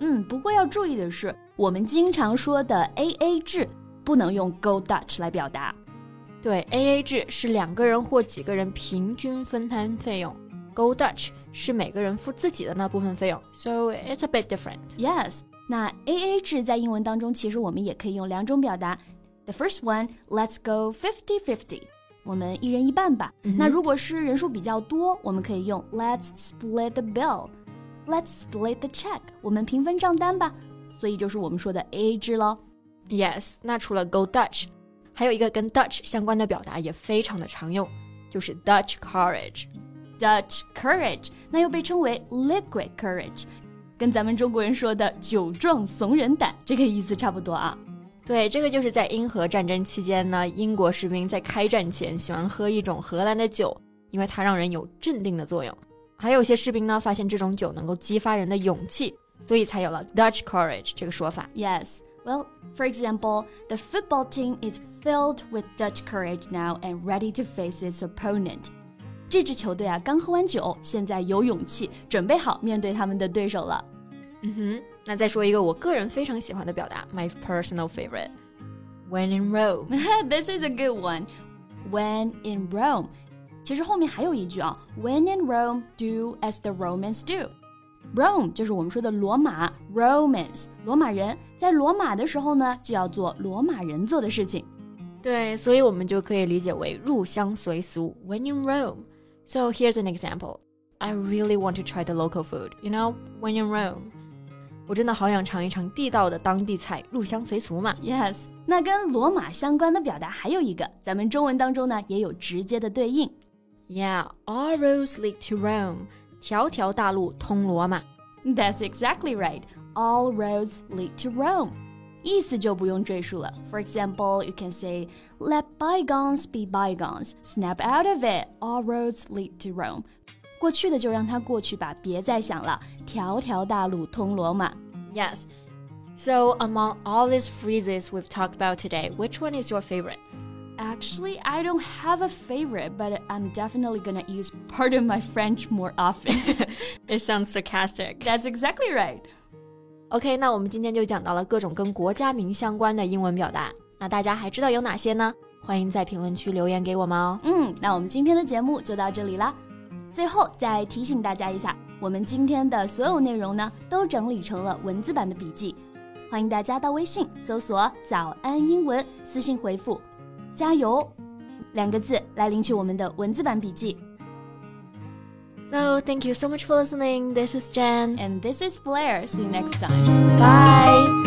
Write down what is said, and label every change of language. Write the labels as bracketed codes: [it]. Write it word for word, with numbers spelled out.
[zh] 嗯，不过要注意的是，我们经常说的 A A 制不能用 Go Dutch 来表达。对， A A 制是两个人或几个人平均分摊费用， Go Dutch 是每个人付自己的那部分费用， [en] So it's a bit different. Yes. [zh] 那 A A 制在英文当中其实我们也可以用两种表达。 [en] The first one, let's go fifty fifty. [zh] 我们一人一半吧。 Mm-hmm. 那如果是人数比较多，我们可以用 [en] let's split the bill, let's split the check. [zh] 我们平分账单吧。所以就是我们说的 A A 制咯。 Yes, 那除了 Go Dutch, 还有一个跟 Dutch 相关的表达也非常的常用，就是 Dutch courage. Dutch courage, 那又被称为 liquid courage, 跟咱们中国人说的酒壮怂人胆这个意思差不多啊。对，这个就是在英荷战争期间呢，英国士兵在开战前喜欢喝一种荷兰的酒，因为它让人有镇定的作用。还有些士兵呢，发现这种酒能够激发人的勇气，所以才有了 Dutch courage 这个说法。 [en] Yes, well, for example, the football team is filled with Dutch courage now and ready to face its opponent. [zh] 这支球队啊，刚喝完酒，现在有勇气，准备好面对他们的对手了。嗯哼，那再说一个我个人非常喜欢的表达 [en] My personal favorite When in Rome. This is a good one. When in Rome. [zh] 其实后面还有一句啊 [en] When in Rome, do as the Romans do. [zh] Rome 就是我们说的罗马 Romans 罗马人，在罗马的时候呢就要做罗马人做的事情。对，所以我们就可以理解为入乡随俗 [en] When in Rome. So here's an example. I really want to try the local food. You know, when in Rome. [zh] 我真的好想尝一尝地道的当地菜，入乡随俗嘛。 Yes， 那跟罗马相关的表达还有一个，咱们中文当中呢也有直接的对应。 [en] Yeah, all roads lead to Rome， [zh] 条条大路通罗马。 [en] That's exactly right. All roads lead to Rome， [zh] 意思就不用赘述了。 [en] For example, you can say Let bygones be bygones, snap out of it. All roads lead to Rome， [zh] 过去的就让它过去吧，别再想了，条条大路通罗马。 [en] Yes. So among all these phrases we've talked about today, which one is your favorite? Actually, I don't have a favorite, but I'm definitely gonna use part of my French more often. It sounds sarcastic. That's exactly right. [zh] OK, 那我们今天就讲到了各种跟国家名相关的英文表达，那大家还知道有哪些呢？欢迎在评论区留言给我们哦。嗯，那我们今天的节目就到这里啦。最后再提醒大家一下，我们今天的所有内容呢都整理成了文字版的笔记，欢迎大家到微信搜索早安英文，私信回复加油两个字来领取我们的文字版笔记。 [en] So thank you so much for listening. This is Jen and this is Blair. See you next time. Bye.